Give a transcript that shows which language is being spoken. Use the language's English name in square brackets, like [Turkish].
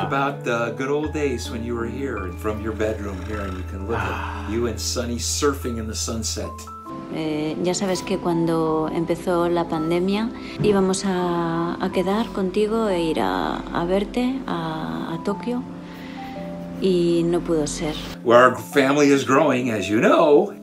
[English] Think about the good old days when you were here and from your bedroom here and you can look at you and Sunny surfing in the sunset. [Spanish] Ya sabes que cuando empezó la pandemia íbamos a quedar contigo e ir a verte a Tokio y no pudo ser. [English] Well, our family is growing, as you know.